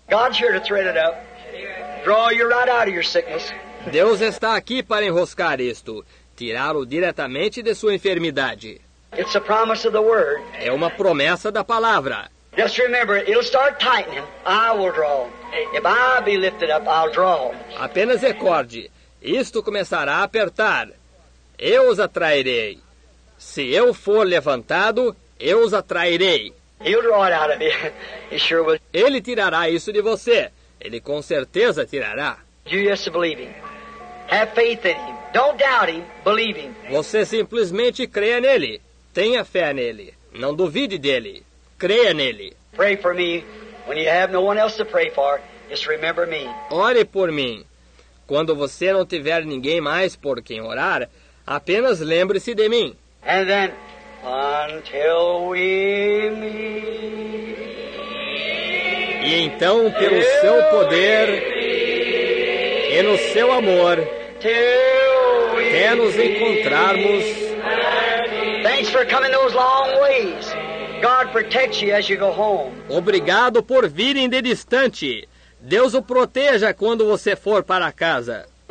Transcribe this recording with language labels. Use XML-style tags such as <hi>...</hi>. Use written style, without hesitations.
<en>God's here to thread it up. Draw you right out of your sickness.</en> <pt>Deus está aqui para enroscar isto, tirá-lo diretamente de sua enfermidade.</pt> <en>It's a promise of the word.</en> <pt>É uma promessa da palavra.</pt> <en>Just remember, it'll start tightening. I will draw. If I be lifted up, I'll draw.</en> <pt>Apenas recorde, isto começará a apertar. Eu os atrairei. Se eu for levantado, eu os atrairei.</pt> <en>He'll draw it out of you. He sure will.</en> <pt>Ele tirará isso de você. Ele com certeza tirará.</pt> <en>You just believe him. Have faith in him. Don't doubt him. Believe him.</en> <pt>Você simplesmente creia nele. Tenha fé nele. Não duvide dele. Creia nele.</pt> <en>Pray for me. When you have no one else to pray for, just remember me.</en> <pt>Ore por mim. Quando você não tiver ninguém mais por quem orar, apenas lembre-se de mim.</pt> <en>And then, until we meet.</en> <pt>E então, pelo seu poder e no seu amor, até nos encontrarmos.</pt> <en>Thanks for coming those long ways. God protects you as you go home.</en> <pt>Obrigado por virem de distante. Deus o proteja quando você for para casa.</pt>